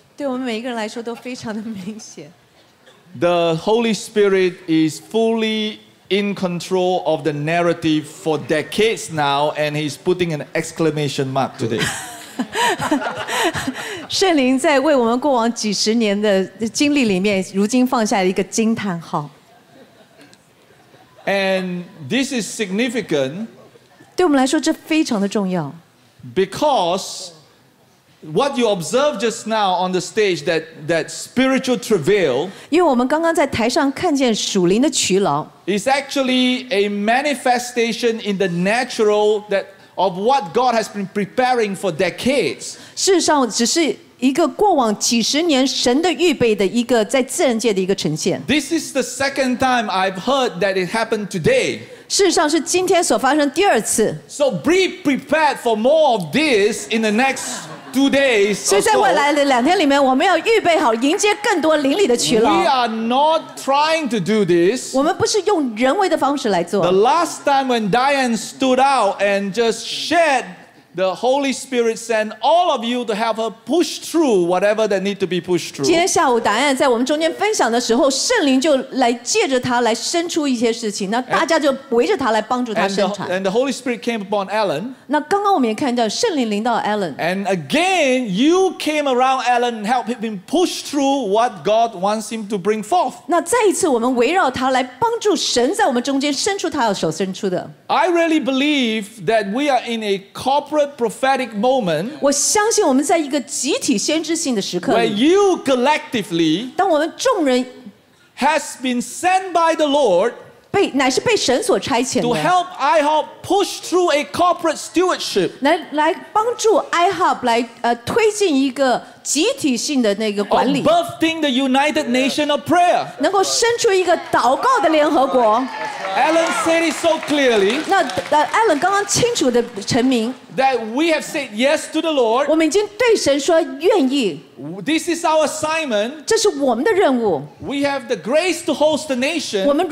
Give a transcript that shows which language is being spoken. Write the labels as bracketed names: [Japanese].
[Chinese] 对我们每一个人来说都非常的明显。 [English] The Holy Spirit is fully in control of the narrative for decades now, and He's putting an exclamation mark today. [Chinese] 圣灵在为我们过往几十年的经历里面，如今放下了一个惊叹号。 [English] And this is significant. [Chinese] 对我们来说，这非常的重要。 [English] Because what you observed just now on the stage, that spiritual travail. [Chinese] 因为我们刚刚在台上看见属灵的劬劳。 [English] Is actually a manifestation in the natural that of what God has been preparing for decades. [Chinese] 事实上，只是一个过往几十年神的预备的一个在自然界的一个呈现。 [English] This is the second time I've heard that it happened today. [Chinese] 事实上是今天所发生第二次。 [English] So be prepared for more of this in the next 2 days. [Chinese] 所以在未来的两天里面，我们要预备好迎接更多灵里的劬劳。 [English] We are not trying to do this. [Chinese] 我们不是用人为的方式来做。 [English] The last time when Diane stood out and just shared. The Holy Spirit sent all of you to help her push through whatever that need to be pushed through. [Chinese] 今天下午，达安在我们中间分享的时候，圣灵就来借着他来伸出一些事情，那大家就围着他来帮助他伸长。 [English] And the Holy Spirit came upon Alan. [Chinese] 那刚刚我们也看到圣灵临到 Alan. [English] And again, you came around Alan and helped him push through what God wants him to bring forth. [Chinese] 那再一次，我们围绕他来帮助神在我们中间伸出他要手伸出的。 [English] I really believe that we are in a corporate prophetic moment. [Chinese] 我相信我们在一个集体先知性的时刻。 [English] Where you collectively, [Chinese] 当我们众人 [English] has been sent by the Lord, [Chinese] 乃是被神所差遣的 [English] to help IHOP push through a corporate stewardship. [Chinese] 来帮助 IHOP 来推进一个集体性的那个管理 [English] Birthing the United Nation of Prayer [Chinese] 能够生出一个祷告的联合国 [English] Alan said it so clearly [Chinese] 那 Alan 刚刚清楚的陈明 [English] That we have said yes to the Lord [Chinese] 我们已经对神说愿意 [English] This is our assignment [Chinese] 这是我们的任务 [English] We have the grace to host the nation